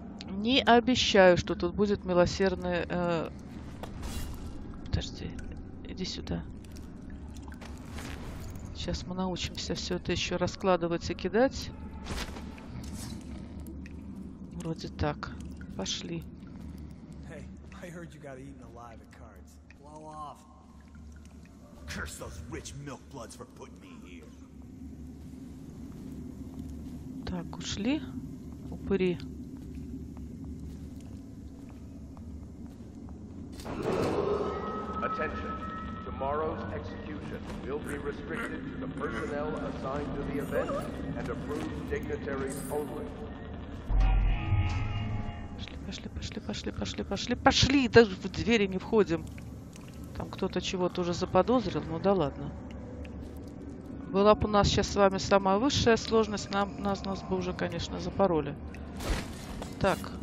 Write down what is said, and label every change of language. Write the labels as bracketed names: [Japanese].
[Russian] Не обещаю, что тут будет милосердный... Подожди. Иди сюда. Сейчас мы научимся все это еще раскладывать и кидать. Вроде так. Пошли. [English] Hey, I heard you got eaten alive at cards. Blow off. Curse those rich milk bloods for putting me here. [Russian] Так, ушли. Упыри. [English] Attention. Tomorrow's execution will be restricted to the personnel assigned to the event and approved dignitaries only. [Russian] Пошли, пошли, пошли, пошли, пошли, пошли! Даже в двери не входим. Там кто-то чего-то уже заподозрил, ну да ладно. Была бы у нас сейчас с вами самая высшая сложность, нас бы уже, конечно, запороли. Так.